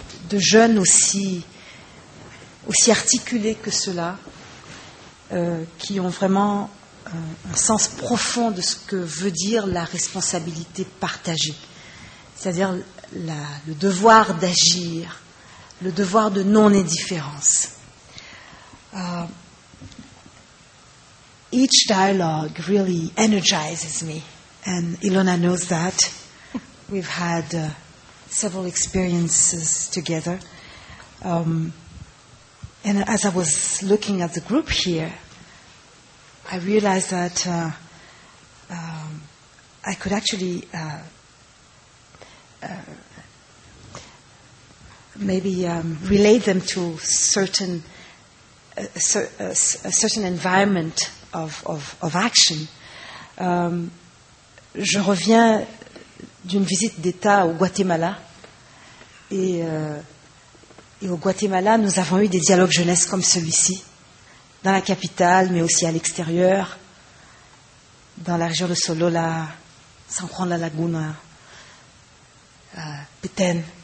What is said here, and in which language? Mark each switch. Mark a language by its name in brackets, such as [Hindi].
[French] de jeunes aussi articulés que ceux-là, qui ont vraiment un sens profond de ce que veut dire la responsabilité partagée. C'est-à-dire le devoir d'agir, le devoir de non-indifférence. [English] Each dialogue really energizes me, and Ilona knows that. We've had several experiences together. And as I was looking at the group here, I realized that I could actually relate them to certain environment of action. [French] Je reviens d'une visite d'État au Guatemala, et au Guatemala, nous avons eu des dialogues jeunesse comme celui-ci, dans la capitale, mais aussi à l'extérieur, dans la région de Solola, San Juan de la Laguna, Petén.